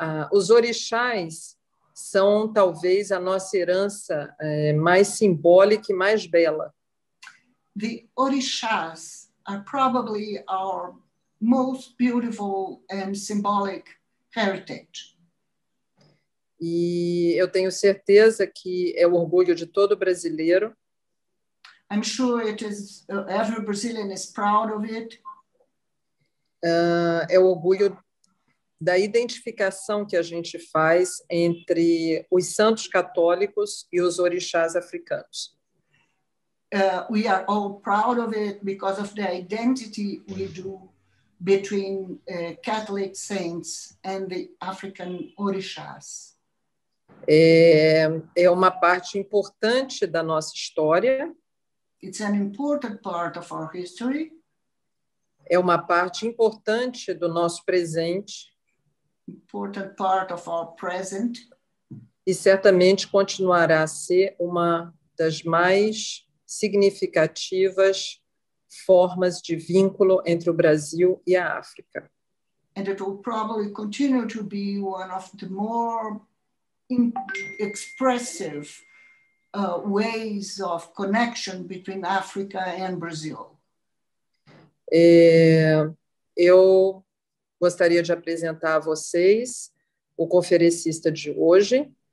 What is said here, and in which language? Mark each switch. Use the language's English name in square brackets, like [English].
[Portuguese] Os orixás são talvez a nossa herança mais simbólica e mais bela. [English] The orixás are probably our most beautiful and symbolic heritage. [Portuguese] E eu tenho certeza que é o orgulho de todo brasileiro. [English] I'm sure it is, every Brazilian is proud of it. [Portuguese] É o orgulho da identificação que a gente faz entre os santos católicos e os orixás africanos. [English] We are all proud of it because of the identity we do between Catholic saints and the African orixás. [Portuguese] É uma parte importante da nossa história. [English] It's an important part of our history. [Portuguese] É uma parte importante do nosso presente. [English] Important part of our present. [Portuguese] E certamente continuará a ser uma das mais significativas formas de vínculo entre o Brasil e a África. [English] And it will probably continue to be one of the more expressive ways of connection between Africa and Brazil. [Portuguese] Eu gostaria de apresentar a vocês o conferencista de hoje.